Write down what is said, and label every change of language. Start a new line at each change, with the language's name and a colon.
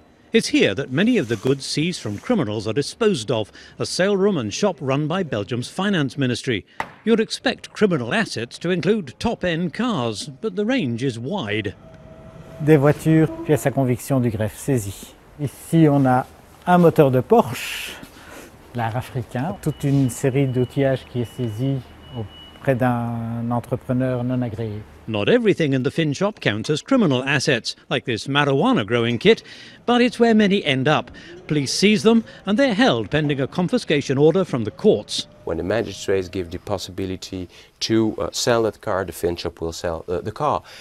English: It's here that many of the goods seized from criminals are disposed of, a sale room and shop run by Belgium's finance ministry. You'd expect criminal assets to include top-end cars, but the range is wide.
French: Des voitures, pièces à conviction du greffe saisies. Ici, on a un moteur de Porsche, l'art africain, toute une série d'outillages qui est saisi auprès d'un entrepreneur non agréé.
English: Not everything in the Finn shop counts as criminal assets, like this marijuana growing kit, but it's where many end up. Police seize them and they're held pending a confiscation order from the courts. When the magistrates give the possibility to sell that car, the Finn shop will sell the car.